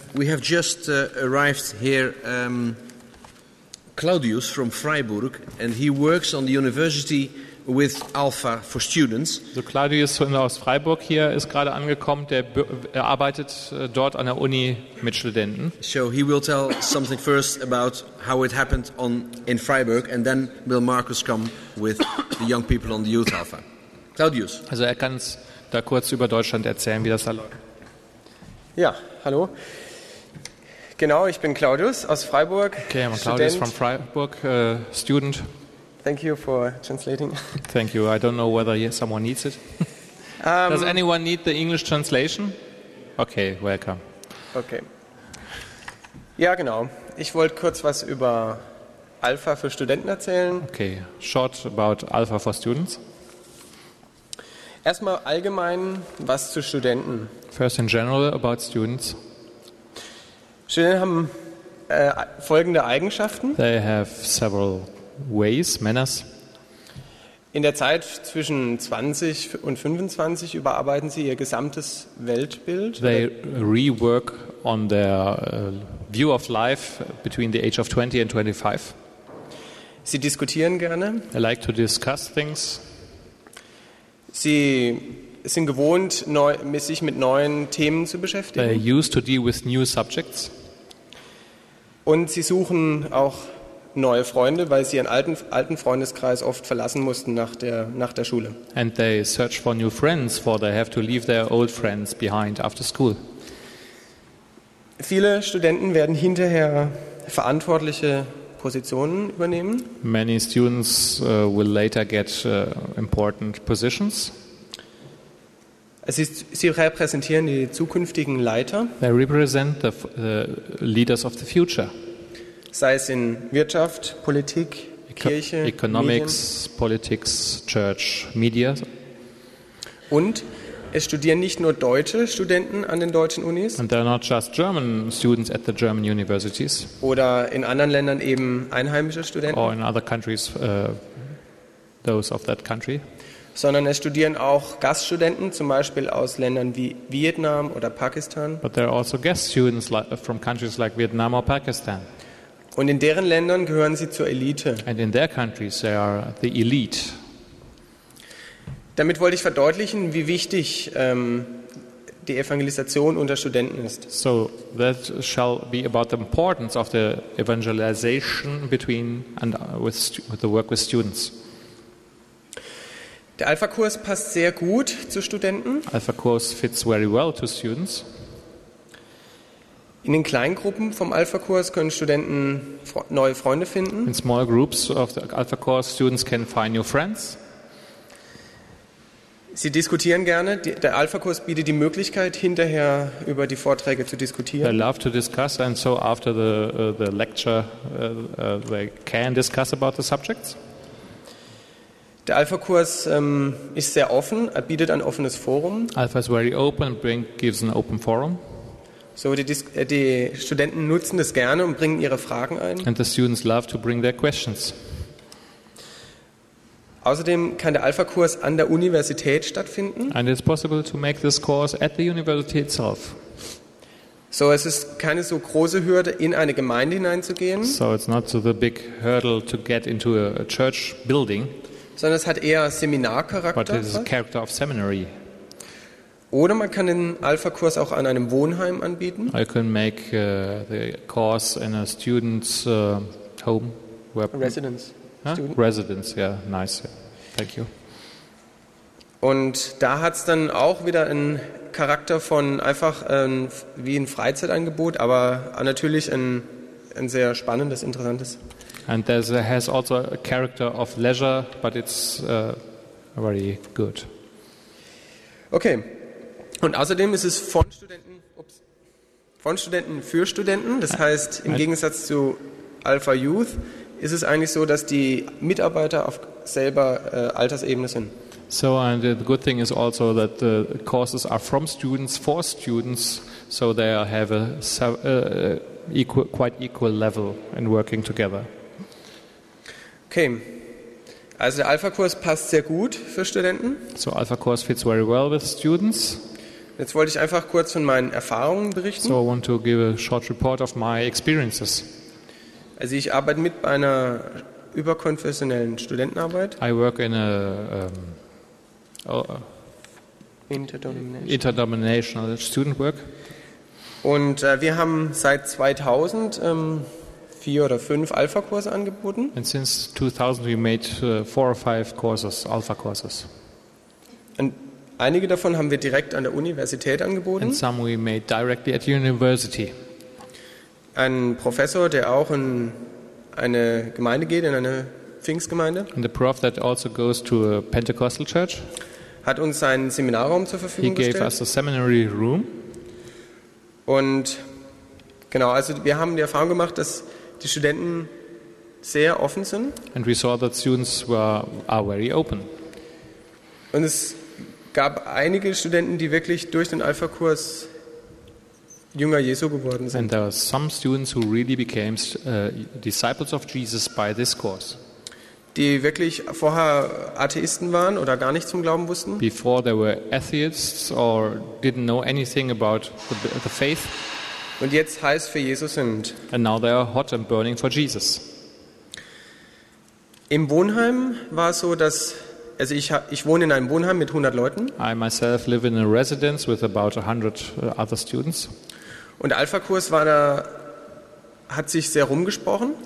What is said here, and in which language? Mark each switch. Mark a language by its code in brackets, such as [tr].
[en] We have just arrived here, Claudius from Freiburg, and he works on the university with Alpha for students. [de] So Claudius aus Freiburg hier ist gerade angekommen. Er arbeitet dort an der Uni mit Studenten. [en] So he will tell something first about how it happened in Freiburg, and then will Markus come with the young people on the Youth Alpha. Claudius. [de] Also er kann's da kurz über Deutschland erzählen, wie das da läuft. Ja, hallo. Genau, ich bin Claudius aus Freiburg. [en] Okay, I'm Claudius from Freiburg, student. Thank you for translating. Thank you. I don't know whether someone needs it. Does anyone need the English translation? Okay, welcome. [de] Okay. Ja, genau. Ich wollte kurz was über Alpha für Studenten erzählen. [en] Okay, short about Alpha for students. [de] Erstmal allgemein was zu Studenten. [en] First in general about students. [de] Studenten haben folgende Eigenschaften. [en] They have several ways, manners. [de] In der Zeit zwischen 20 und 25 überarbeiten Sie Ihr gesamtes Weltbild. [en] They rework on their view of life between the age of 20 and 25. [de] Sie diskutieren gerne. [en] I like to discuss things. [de] Sie sind gewohnt, sich mit neuen Themen zu beschäftigen. [en] They used to deal with new subjects. [de] Und sie suchen auch neue Freunde, weil sie ihren alten Freundeskreis oft verlassen mussten nach der Schule. [en] And they search for new friends, for they have to leave their old friends behind after school. [de] Viele Studenten werden hinterher verantwortliche Positionen übernehmen. [en] Many students will later get important positions. [de] Sie repräsentieren die zukünftigen Leiter. [en] They represent the leaders of the future. [de] Sei es in Wirtschaft, Politik, Kirche, [en] Economics, [de] Medien. [en] Politics, Church, Media. [de] Und es studieren nicht nur deutsche Studenten an den deutschen Unis. [en] And they're not just German students at the German universities. [de] Oder in anderen Ländern eben einheimische Studenten. [en] Or in other countries, those of that country. [de] Sondern es studieren auch Gaststudenten, zum Beispiel aus Ländern wie Vietnam oder Pakistan. [en] But there are also guest students from countries like Vietnam or Pakistan. [de] Und in deren Ländern gehören sie zur Elite. [en] And in their countries they are the elite. [de] Damit wollte ich verdeutlichen, wie wichtig die Evangelisation unter Studenten ist. [en] So that shall be about the importance of the evangelization between and with the work with students. [de] Der Alpha-Kurs passt sehr gut zu Studenten. [en] Alpha-Kurs fits very well to students. [de] In den Kleingruppen vom Alpha-Kurs können Studenten neue Freunde finden. [en] In small groups of the Alpha-Kurs, students can find new friends. [de] Sie diskutieren gerne. Der Alpha-Kurs bietet die Möglichkeit, hinterher über die Vorträge zu diskutieren. [en] They love to discuss, and so after the lecture, they can discuss about the subjects. [de] Der Alpha-Kurs ist sehr offen, er bietet ein offenes Forum. [en] Alpha is very open, gives an open forum. [de] So die Studenten nutzen das gerne und bringen ihre Fragen ein. [en] And the students love to bring their questions. [de] Außerdem kann der Alpha-Kurs an der Universität stattfinden. [en] And it's possible to make this course at the university itself. [de] So es ist keine so große Hürde, in eine Gemeinde hineinzugehen. [en] So it's not so the big hurdle to get into a church building. [de] Sondern es hat eher Seminarcharakter. [en] But it is a character of seminary. [de] Oder man kann den Alpha-Kurs auch an einem Wohnheim anbieten. [en] I can make the course in a student's home. Residence. Huh? Residence, yeah, nice. Thank you. [de] Und da hat es dann auch wieder einen Charakter von einfach wie ein Freizeitangebot, aber natürlich ein sehr spannendes, interessantes. [en] And there has also a character of leisure, but it's very good. Okay. [de] Und außerdem ist es von Studenten für Studenten. Das heißt, im Gegensatz zu Alpha Youth ist es eigentlich so, dass die Mitarbeiter auf selber Altersebene sind. [en] So, and the good thing is also that the courses are from students for students, so they have a quite equal level in working together. [de] Okay, also der Alpha-Kurs passt sehr gut für Studenten. [en] So Alpha-Kurs fits very well with students. [de] Jetzt wollte ich einfach kurz von meinen Erfahrungen berichten. [en] So I want to give a short report of my experiences. [de] Also ich arbeite mit bei einer überkonfessionellen Studentenarbeit. [en] I work in a interdenominational student work. [de] Und wir haben seit 2000 vier oder fünf Alpha-Kurse angeboten. [en] And since 2000 we made four or five courses, Alpha-Courses. [de] Und einige davon haben wir direkt an der Universität angeboten. [en] And some we made directly at university. [de] Ein Professor, der auch in eine Gemeinde geht, in eine Pfingstgemeinde. [en] And the prof that also goes to a Pentecostal church. [de] Hat uns seinen Seminarraum zur Verfügung gestellt. [en] He gave us a seminary room. [de] Und genau, also wir haben die Erfahrung gemacht, dass die Studenten sehr offen sind. [en] And we saw that students are very open. [de] Und es gab einige Studenten, die wirklich durch den Alpha-Kurs Jünger Jesu geworden sind. [en] And there are some students who really became disciples of Jesus by this course. [de] die wirklich vorher Atheisten waren oder gar nichts vom Glauben wussten. [en] Before they were atheists or didn't know anything about the faith. [de] Und jetzt heiß für Jesus sind. [en] And now they are hot and burning for Jesus. [de] Im Wohnheim war es so, dass also ich wohne in einem Wohnheim mit 100 Leuten. [en] I myself live in a residence with about 100 other students. [de] Und Alpha-Kurs war da, hat sich sehr rumgesprochen.